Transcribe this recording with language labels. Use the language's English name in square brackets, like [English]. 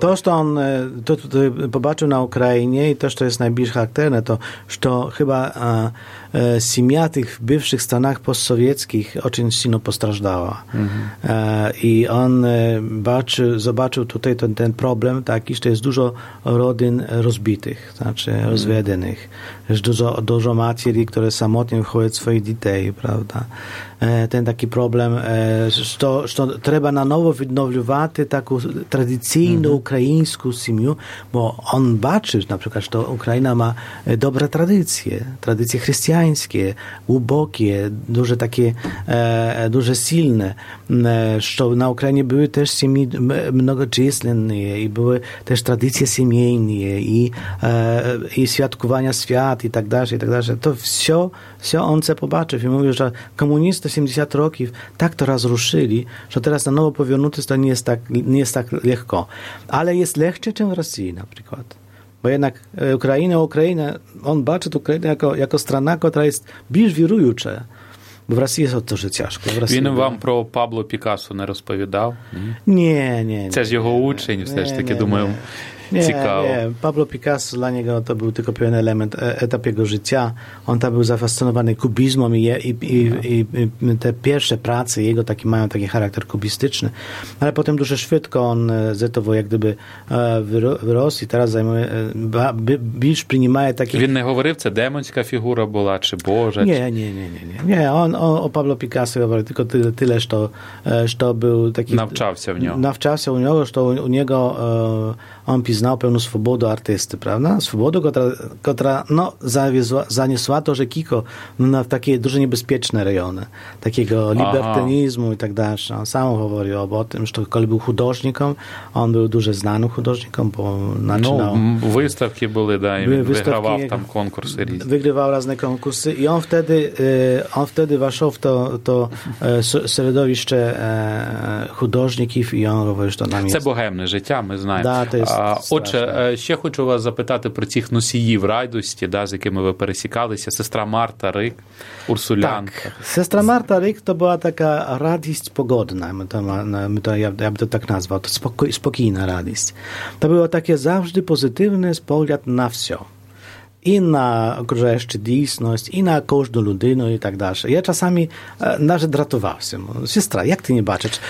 [Ukrainian] То, що він тут побачив на Україні, і те, що є найбільш характерне, то що хіба сім'я тих бивших станах постсовєтських дуже сильно постраждала. І він забачив тут той проблем, так, і що є дуже родин розбитих, значить, розведених. Дуже матері, які самотні виховують своїх дітей, правда. [Polish] Ten taki problem, że trzeba na nowo odnowiwać taką tradycyjną ukraińską rodzinę, bo on baczy, na przykład, że Ukraina ma dobre tradycje, tradycje chrześcijańskie, głębokie, duże takie, duże silne, że na Ukrainie były też rodziny mnogoczesne i były też tradycje rodzinne i świętowania świąt i tak dalej, to wszystko on to zobaczył i mówił, że komunisty [Ukrainian] 70 років так то розрушили, що зараз на ново повернутися, то не є так легко. Але є легше, ніж в Росії, наприклад. Бо однак Україна, він бачить Україну як країна, яка є більш віруюча. Бо в Росії це дуже тяжко. Він вам про Пабло Пікассо не розповідав? Ні. Це ж його учень, все ж таки, думаю, цікаво. Пабло Пікассо для нього то був тільки певен елемент, етап його життя. Він там був зафасцинований кубізмом і те перші праці його такі мають такий характер кубістичний. Але потім дуже швидко він з того, як би, вирос і зараз займає, більш приймає такі... Він не говорив, це демонська фігура була, чи Божа? Ні. Він о Пабло Пікассо говорив тільки тіле, що був такий... Навчався в нього, що у нього... [Polish] On poznał pełną swobodę artysty, prawda? Swobodę, która no, zaniosła to, że Kiko no, w takie duże niebezpieczne rejony, takiego libertynizmu i tak dalej. On sam mówił o tym, że kiedy był chudożnikiem, on był duże znanym chudożnikiem, bo zaczynał... No, wystawki były, da, i wygrywał tam konkursy. Wygrywał różne konkursy i on wtedy weszł w to środowisko chudożników i on mówił, że to nam jest... To bohemne życie, my znamy. Da, to jest... [Ukrainian] Отже, ще хочу вас запитати про цих носіїв радості, да, з якими ви пересікалися. Сестра Марта Рик, урсулянка. Так. Сестра Марта Рик, то була така радість погодна, я б то так назвав, то спокійна радість. То було таке завжди позитивне погляд на все. І на окружаючу дійсність, і на кожну людину, і так далі. Я часами навіть дратувався. Сестра, як ти не бачиш?